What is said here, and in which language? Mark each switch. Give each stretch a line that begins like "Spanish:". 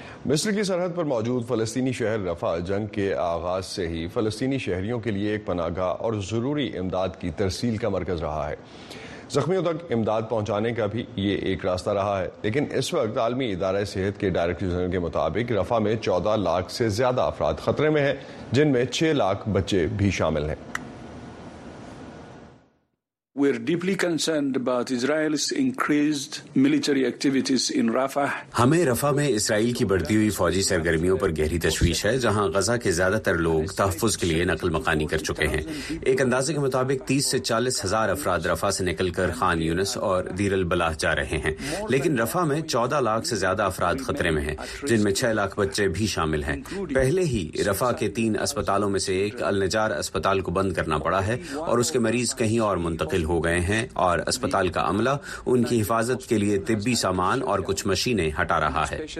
Urdu: مصر کی سرحد پر موجود فلسطینی شہر رفح جنگ کے آغاز سے ہی فلسطینی شہریوں کے لیے ایک پناہ گاہ اور ضروری امداد کی ترسیل کا مرکز رہا ہے۔ زخمیوں تک امداد پہنچانے کا بھی یہ ایک راستہ رہا ہے، لیکن اس وقت عالمی ادارہ صحت کے ڈائریکٹر جنرل کے مطابق رفح میں 14 لاکھ سے زیادہ افراد خطرے میں ہیں، جن میں 6 لاکھ بچے بھی شامل ہیں۔
English: We are deeply concerned about Israel's increased military activities in Rafah.
Urdu: ہمیں رفح میں اسرائیل کی بڑھتی ہوئی فوجی سرگرمیوں پر گہری تشویش ہے، جہاں غزہ کے زیادہ تر لوگ تحفظ کے لیے نقل مکانی کر چکے ہیں۔ ایک اندازے کے مطابق 30,000 سے 40,000 افراد رفح سے نکل کر خان یونس اور دیر البلاح جا رہے ہیں، لیکن رفح میں 14 لاکھ سے زیادہ افراد خطرے میں ہیں، جن میں 6 لاکھ بچے بھی شامل ہیں۔ پہلے ہی رفح کے 3 اسپتالوں میں سے ایک النجار اسپتال کو بند کرنا پڑا ہے اور اس کے مریض کہیں اور منتقل ہو گئے ہیں، اور اسپتال کا عملہ ان کی حفاظت کے لیے طبی سامان اور کچھ مشینیں ہٹا رہا ہے۔